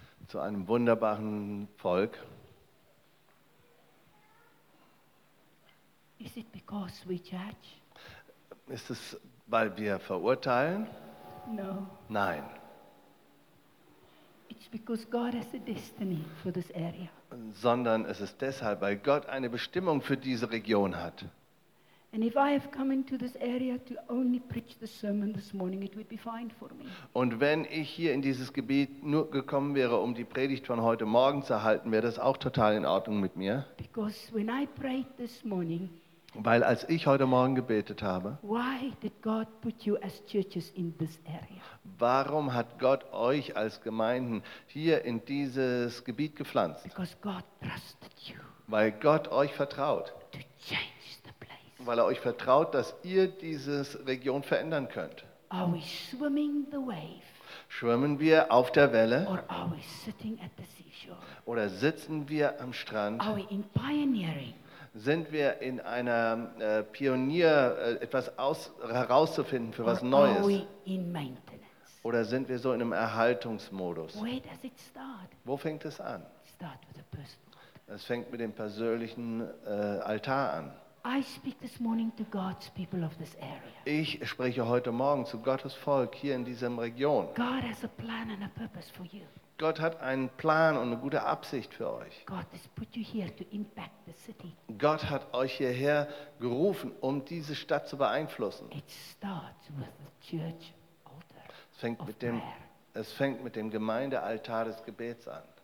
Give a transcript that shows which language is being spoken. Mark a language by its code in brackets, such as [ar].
[de] Zu einem wunderbaren Volk. [en] Is it because we judge? [de] Ist es, weil wir verurteilen? [en] No. [de] Nein. [en] It's because God has a destiny for this area. [de] Sondern es ist deshalb, weil Gott eine Bestimmung für diese Region hat. [en] And if I have come into this area to only preach the sermon this morning, it would be fine for me. [de] Und wenn ich hier in dieses Gebiet nur gekommen wäre, um die Predigt von heute Morgen zu halten, wäre das auch total in Ordnung mit mir. [en] Because when I prayed this morning, [de] weil als ich heute Morgen gebetet habe, [en] why did God put you as churches in this area? [de] Warum hat Gott euch als Gemeinden hier in dieses Gebiet gepflanzt? [en] Because God trusted you. [de] Weil Gott euch vertraut. [en] To change. [de] weil er euch vertraut, dass ihr diese Region verändern könnt. [en] Are we swimming the wave? [de] Schwimmen wir auf der Welle? [en] Or are we sitting at the seashore? [de] Oder sitzen wir am Strand? [en] Are we in pioneering? [de] Sind wir in einer Pionier, etwas aus, herauszufinden für [en] Or [de] was Neues? [en] Are we in maintenance? [de] Oder sind wir so in einem Erhaltungsmodus? [en] Where does it start? [de] Wo fängt es an? [en] Start with a personal. [de] Es fängt mit dem persönlichen Altar an. [en] I speak this morning to God's people of this area. [de] Ich spreche heute Morgen zu Gottes Volk hier in dieser Region. [en] God has a plan and a purpose for you. [de] Gott hat einen Plan und eine gute Absicht für euch. [en] God has put you here to impact the city. [de] Gott hat euch hierher gerufen, um diese Stadt zu beeinflussen. [en] It starts with the church altar. [de] Es fängt mit dem Gemeindealtar des Gebets an.